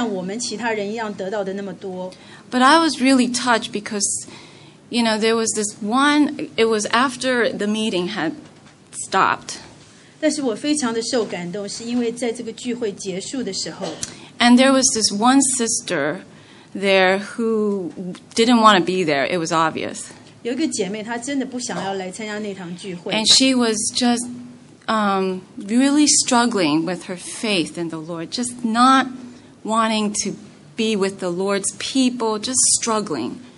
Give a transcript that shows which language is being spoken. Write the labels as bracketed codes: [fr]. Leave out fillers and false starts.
[zh] 所以当他参加特会的时候，我们就会先预估他，可能他不会像我们其他人一样得到的那么多。 [en] But I was really touched because, you know, there was this one, it was after the meeting had stopped. [zh] 但是我非常的受感动，是因为在这个聚会结束的时候。 [en] And there was this one sister there who didn't want to be there, it was obvious. [zh] 有一个姐妹，她真的不想要来参加那堂聚会。 [en] And she was just really struggling with her faith in the Lord, just not wanting to be with the Lord's people, just struggling.